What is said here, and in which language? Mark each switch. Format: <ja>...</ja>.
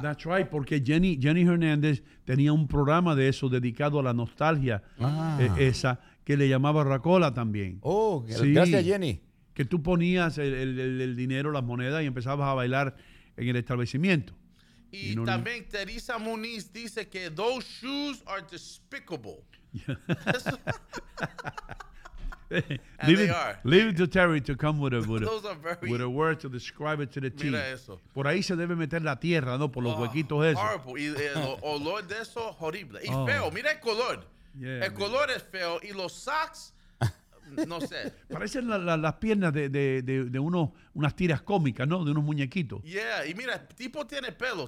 <en>That's right,</en> <es>porque Jenny Hernandez tenía un programa de eso dedicado a la nostalgia, esa que le llamaba racola también. Oh, sí, gracias Jenny. Que tú ponías el dinero, las monedas y empezabas a bailar en el establecimiento. Y no, también no.</es> <en>Teresa Muniz dice que those shoes are despicable. And leave they it, are. Leave it to Terry to come with a word to describe it to the team.</en> <es>Por ahí se debe meter la tierra, ¿no? Por los huequitos esos. Horrible. Y el olor de eso, horrible. Y feo. Mira el color. Yeah, el color es feo. Y los socks, no sé. Parecen las piernas de unas tiras cómicas, ¿no? De unos muñequitos. Yeah, y mira, el tipo tiene pelo.</es>